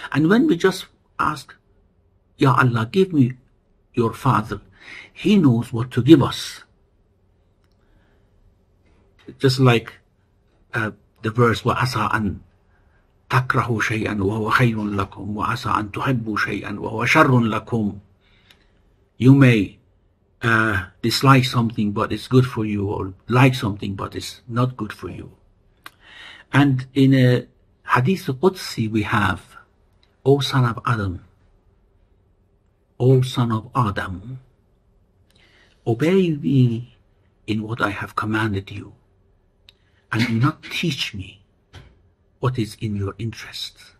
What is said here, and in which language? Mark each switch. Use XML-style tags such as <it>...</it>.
<en>And when we just ask, Ya Allah, give me Your Father, He knows what to give us. Just like the verse,</en> <ar>وَعَسَىٰ أَن تَكْرَهُوا شَيْئًا وَهُوَ خَيْرٌ لَكُمْ وَعَسَىٰ أَن تُحِبُّوا شَيْئًا وَهُوَ شَرٌ لَكُمْ.</ar> <en>You may dislike something, but it's good for you, or like something, but it's not good for you. And in a Hadith Qudsi we have, O son of Adam, O son of Adam, obey me in what I have commanded you, and do not teach me what is in your interest.</en>